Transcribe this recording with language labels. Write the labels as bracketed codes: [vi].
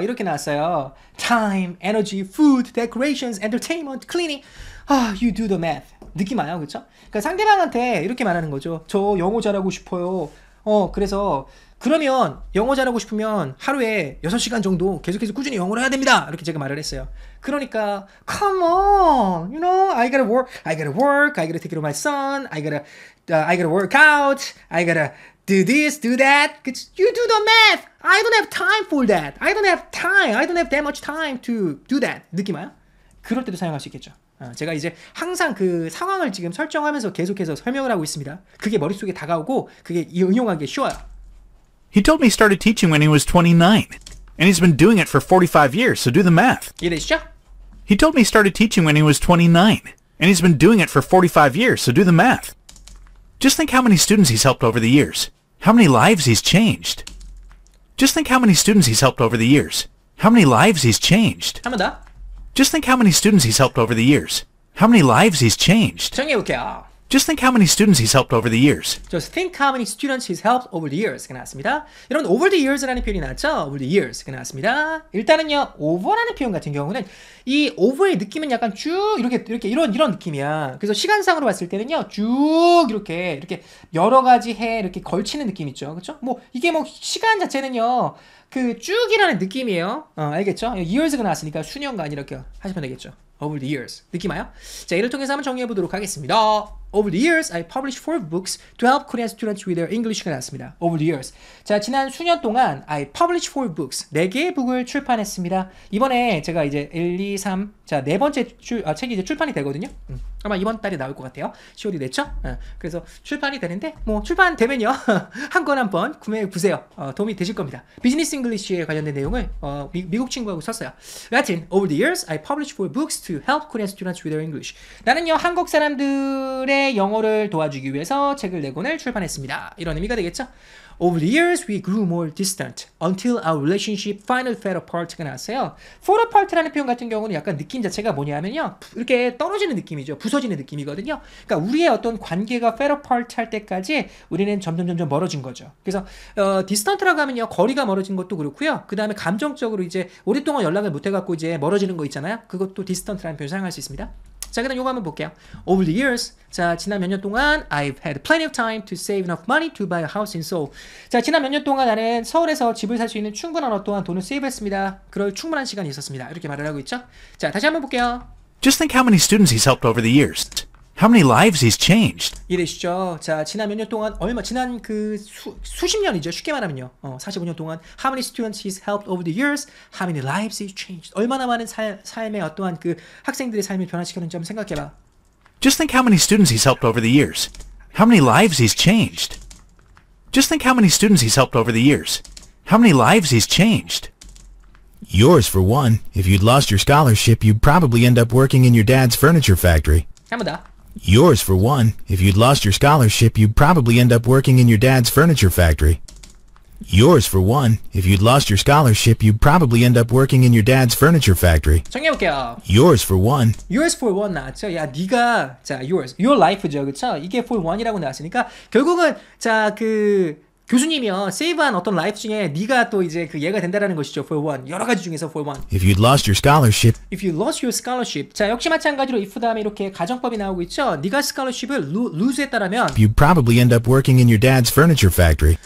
[ko] 이렇게 나왔어요. [en] Time, energy, food, decorations, entertainment, cleaning. You do the math. [ko] 느낌 와요, 그렇죠? 그러니까 상대방한테 이렇게 말하는 거죠. 저 영어 잘하고 싶어요. 그래서 그러면 영어 잘하고 싶으면 하루에 6시간 정도 계속해서 꾸준히 영어를 해야 됩니다. 이렇게 제가 말을 했어요. [en] 그러니까 come on, you know, I gotta work, I gotta take care of my son, I gotta work out, I gotta do this, do that. You do the math. I don't have time for that. I don't have time. I don't have that much time to do that. [ko] 느낌 와요? 그럴 때도 사용할 수 있겠죠. 제가 이제 항상 그 상황을 지금 설정하면서 계속해서 설명을 하고 있습니다. 그게 머릿속에 다가오고 그게 응용하기 쉬워요. [en] He told me he started teaching when he was 29. And he's been doing it for 45 years, so do the math. [ko] 이해되시죠? [en] He told me he started teaching when he was 29. And he's been doing it for 45 years, so do the math. Just think how many students he's helped over the years. How many lives he's changed. Just think how many students he's helped over the years. How many lives he's changed. [ko] 한 번 더. [en] Just think how many students he's helped over the years. How many lives he's changed. [ko] 정해볼게요. [en] Just think how many students he's helped over the years. Just think how many students he's helped over the years. [ko] 이렇게 나왔습니다. 여러분, [en] over the years [ko] 라는 표현이 나왔죠? Over the years. 이렇게 나왔습니다. 일단은요, over라는 표현 같은 경우는 이 over의 느낌은 약간 쭉 이렇게 이런 느낌이야. 그래서 시간상으로 봤을 때는요, 쭉 이렇게 여러 가지 해 이렇게 걸치는 느낌 있죠? 그렇죠? 뭐 이게 뭐 시간 자체는요, 그 쭉이라는 느낌이에요. 알겠죠? years가 나왔으니까 수년간 이렇게 하시면 되겠죠. [en] Over the years. [ko] 느낌 와요? 자, 이를 통해서 한번 정리해 보도록 하겠습니다. [en] Over the years, I published 4 books to help Korean students with their English [ko] 가 나왔습니다. [en] Over the years. [ko] 자, 지난 수년 동안 [en] I published 4 books. [ko] 4개의 북을 출판했습니다. 이번에 제가 이제 1, 2, 3, 자, 네 번째 책이 이제 출판이 되거든요. 아마 이번 달에 나올 것 같아요. 10월이 됐죠? 그래서 출판이 되는데, 뭐, 출판되면요. 한권 구매해 보세요. 도움이 되실 겁니다. 비즈니스 잉글리쉬에 관련된 내용을 미국 친구하고 썼어요. [en] 여하튼, over the years, I published 4 books to help Korean students with their English. [ko] 나는요, 한국 사람들의 영어를 도와주기 위해서 책을 네 권을 출판했습니다. 이런 의미가 되겠죠? [en] Over the years, we grew more distant until our relationship finally fell apart [ko] 가 나왔어요. Fall apart라는 표현 같은 경우는 약간 느낌 자체가 뭐냐 하면요. 이렇게 떨어지는 느낌이죠. 부서지는 느낌이거든요. 그러니까 우리의 어떤 관계가 [en] fell apart [ko] 할 때까지 우리는 점점 멀어진 거죠. 그래서 distant라고 하면요. 거리가 멀어진 것도 그렇고요. 그 다음에 감정적으로 이제 오랫동안 연락을 못해갖고 이제 멀어지는 거 있잖아요. 그것도 distant라는 표현 사용할 수 있습니다. 자, 그 다음 이거 한번 볼게요. [en] Over the years, [ko] 자, 지난 몇 년 동안 [en] I've had plenty of time to save enough money to buy a house in Seoul. [ko] 자, 지난 몇 년 동안 나는 서울에서 집을 살 수 있는 충분한 어떠한 돈을 세이브했습니다. 그럴 충분한 시간이 있었습니다. 이렇게 말을 하고 있죠. 자, 다시 한번 볼게요. [en] Just think how many students he's helped over the years. How many lives he's changed. [ko] 이해되시죠? 자, 지난 몇 년 동안 지난 그 수십 년이죠. 쉽게 말하면요. 45년 동안 [en] how many students he's helped over the years? How many lives he's changed? [ko] 얼마나 많은 삶의 어떠한 그 학생들의 삶을 변화시켰는지 한번 생각해 봐. [en] Just think how many students he's helped over the years. How many lives he's changed. Just think how many students he's helped over the years. How many lives he's changed. Yours for one. If you'd lost your scholarship, you'd probably end up working in your dad's furniture factory. [ko] 한번 더. [en] Yours for one. If you'd lost your scholarship, you'd probably end up working in your dad's furniture factory. Yours for one. If you'd lost your scholarship, you'd probably end up working in your dad's furniture factory. [ko] 정해볼게요. [en] Yours for one. [ko] Yours for one 나왔죠? 야, 네가 자, yours. [en] Your life [ko] 죠, 그쵸? 이게 for one이라고 나왔으니까 결국은 자, 그 교수님이요. 세이브한 어떤 라이프 중에 네가 또 이제 그 얘가 된다라는 것이죠. [en] For one. [ko] 여러 가지 중에서 [en] for one. If you'd lost your scholarship. If you lost your scholarship. [ko] 자, 역시 마찬가지로 if 다음에 이렇게 가정법이 나오고 있죠. 네가 [en] scholarship [ko] 을 lose 했다라면 [en] You'd probably end up working in your dad's furniture factory.